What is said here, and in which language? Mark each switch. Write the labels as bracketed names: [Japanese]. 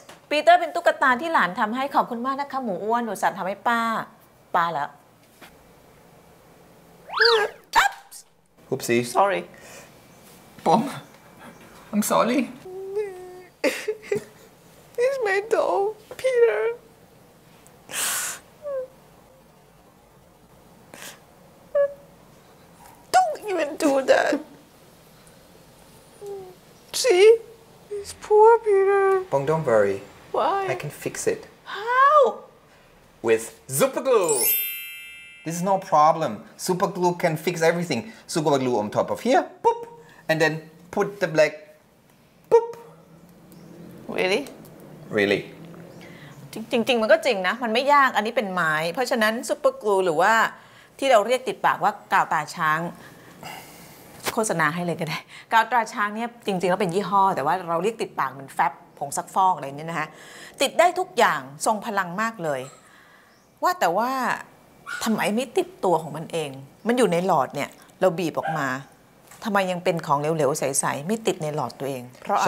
[Thai] ปีเตอร์เป็นตุ๊กตาที่หลานทำให้ขอบคุณมากนะคะหมูอ้วนหนูสัตว์ทำให้ป้าป้าแล้วอัพ ฮุบซี [English] sorry ปอม I'm sorry it's my dog Peter don't even do that see it's poor Peter Bong don't worry Why? I can fix it. How? With super glue. This is no problem. Super glue can fix everything. Super glue on top of here, boop, and then put the black, boop. Really? Really. [Thai] จริงๆมันก็จริงนะมันไม่ยากอันนี้เป็นไม้เพราะฉะนั้นซูเปอร์กลูหรือว่าที่เราเรียกติดปากว่ากาวตาช้างโฆษณาให้เลยก็ได้กาวตาช้างเนี่ยจริงๆแล้วเป็นยี่ห้อแต่ว่าเราเรียกติดปากมันแฟบผงซักฟอกอะไรเนี่ยนะฮะติดได้ทุกอย่างทรงพลังมากเลยว่าแต่ว่าทำไมไม่ติดตัวของมันเองมันอยู่ในหลอดเนี่ยเราบีบออกมาทำไมยังเป็นของเหลวๆใสๆไม่ติดในหลอดตัวเองเพราะอะไร